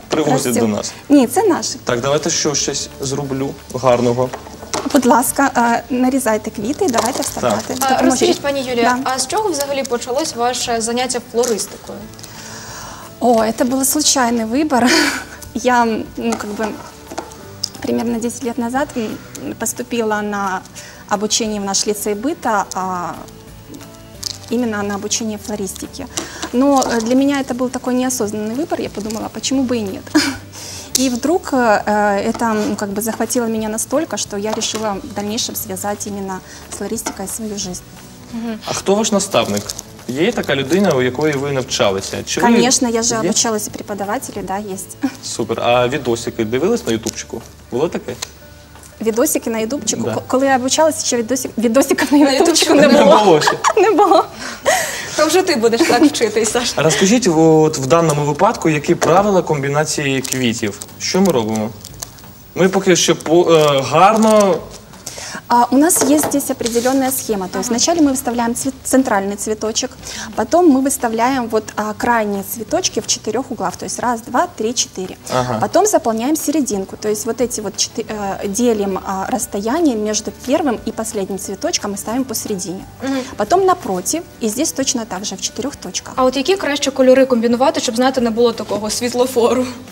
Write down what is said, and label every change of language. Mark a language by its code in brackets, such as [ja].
[uk] Привозять до нас. Ні, це наш. Так, давайте ще щось зроблю гарного. Будь ласка, нарізайте квіти і давайте вставляти. Розкажіть, пані Юлія, да. А з чого взагалі почалось ваше заняття флористикою? О, це був случайний вибір. [ru] Я, ну, как бы, примерно 10 років назад поступила на обучение в наш ліцей быта, именно на обучение флористики. Но для меня это был такой неосознанный выбор, я подумала, почему бы и нет. И вдруг это, ну, как бы захватило меня настолько, что я решила в дальнейшем связать именно с флористикой свою жизнь. А кто ваш наставник? [uk] Есть такая людина, у якої ви навчалися? [ru] Чи конечно, ви... я же є? Обучалась у преподавателя, да, есть. [uk] Супер. А видосики дивились на ютубчику? Було таке? Відосики на ютубчику? Да. Коли я обучалась, ще відосиків на ютубчику не було. Не було. То вже ти будеш так вчитись, Саша. Розкажіть, от в даному випадку, які правила комбінації квітів? Що ми робимо? Ми поки що гарно... [ru] У нас є здесь определенная схема. То есть вначале мы выставляем центральный цветочек, потом мы выставляем вот крайние цветочки в четырех углах. То есть раз, два, три, четыре. Ага. Потом заполняем серединку. То есть вот эти вот делим расстояние между первым и последним цветочком и ставим посередине. Потом напротив, и здесь точно так же, в четырех точках. [uk] А от які краще кольори комбінувати, щоб, знаєте, не було такого світлофору?